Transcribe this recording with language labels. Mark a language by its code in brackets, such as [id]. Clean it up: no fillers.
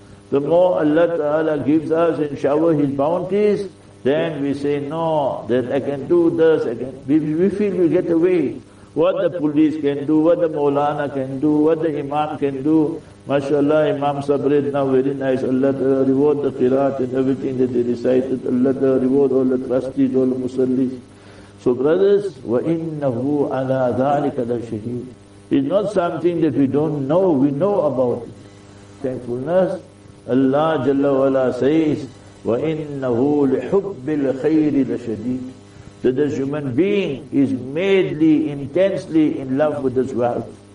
[en] The more Allah Ta'ala gives us and shower His bounties, then we say, no, that I can do this again. We feel we get away. What the police can do, what the Maulana can do, what the Imam can do. MashaAllah, Imam Sabrid now very nice. Allah Ta'ala reward the qiraat and everything that they recited. Allah Ta'ala reward all the trustees, all the musallis. So brothers, [ar] وَإِنَّهُ عَلَىٰ ذَٰلِكَ لَشَهِيدٌ. [en] It's not something that we don't know, we know about it. Thankfulness, Allah Jalla wa Ala says, [ar] وَإِنَّهُ لِحُبِّ الْخَيْرِ لَشَدِيدٍ. [en] That this human being is madly, intensely in love with this wealth.